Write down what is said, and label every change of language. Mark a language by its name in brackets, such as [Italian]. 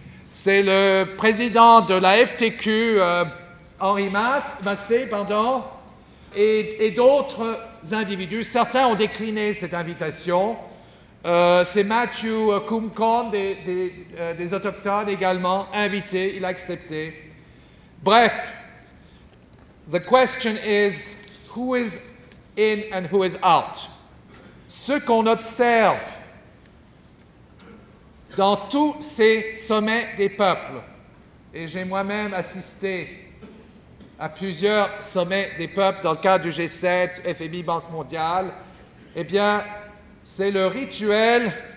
[French] C'est le président de la FTQ, Henri Massé. Et d'autres individus. Certains ont décliné cette invitation. C'est Matthew Kumkon, des Autochtones également, invité, il a accepté. [English] Bref, the question is, who is in and who is out? [French] Ce qu'on observe dans tous ces sommets des peuples, et j'ai moi-même assisté à plusieurs sommets des peuples dans le cadre du G7, FMI, Banque mondiale, eh bien, c'est le rituel